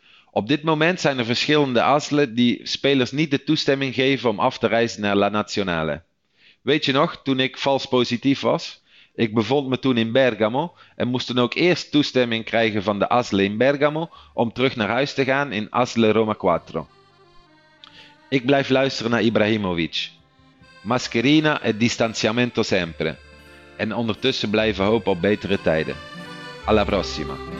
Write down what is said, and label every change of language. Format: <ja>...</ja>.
<nl>Op dit moment zijn er verschillende ASL die spelers niet de toestemming geven om af te reizen naar La Nazionale. Weet je nog, toen ik vals positief was? Ik bevond me toen in Bergamo en moest dan ook eerst toestemming krijgen van de ASL in Bergamo om terug naar huis te gaan in ASL Roma 4. Ik blijf luisteren naar Ibrahimovic.</nl> <it>Mascherina e distanziamento sempre.</it> <nl>En ondertussen blijven hopen op betere tijden.</nl> <it>Alla prossima.</it>